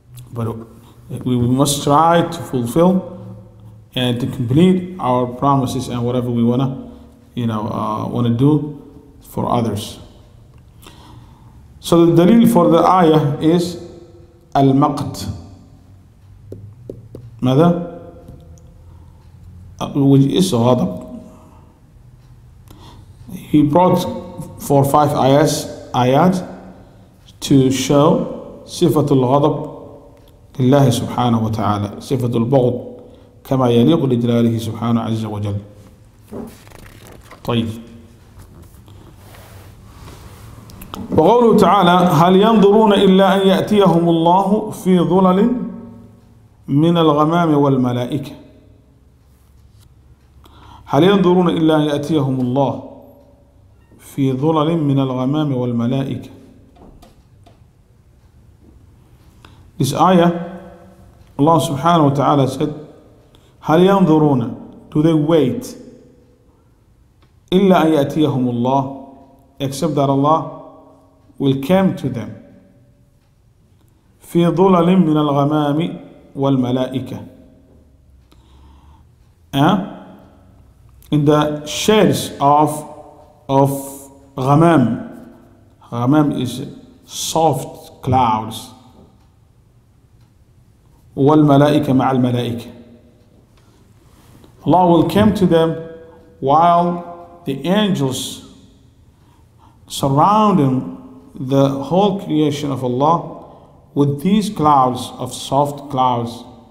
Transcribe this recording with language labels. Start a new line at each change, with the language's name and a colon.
English: But we must try to fulfill and to complete our promises and whatever we wanna, you know, wanna do for others. So the dalil for the ayah is al-maqt.
Arabic: ماذا؟
English: Which is ghadab. He brought 4 or 5 ayat to show sifatul ghadab
Arabic: لله سبحانه وتعالى صفة البغض كما يليق لجلاله سبحانه عز وجل. طيب وقوله تعالى هل ينظرون إلا أن يأتيهم الله في ظلل من الغمام والملائكة هل ينظرون إلا أن يأتيهم الله في ظلل من الغمام والملائكة.
English: This ayah, Allah subhanahu wa ta'ala said,
Arabic: هَلْ يَنْظُرُونَ
English: Do they wait?
Arabic: إِلَّا أَنْ يَأْتِيَهُمُ اللَّهِ
English: Except that Allah will come to them.
Arabic: فِي ظُلَلٍ مِّنَ الْغَمَامِ وَالْمَلَائِكَةِ
English: In the shades of
Arabic: غَمَام.
English: غَمَام is soft clouds.
Arabic: والملائكة مع الملائكة.
English: Allah will come to them while the angels surrounding the whole creation of Allah with these clouds of soft clouds.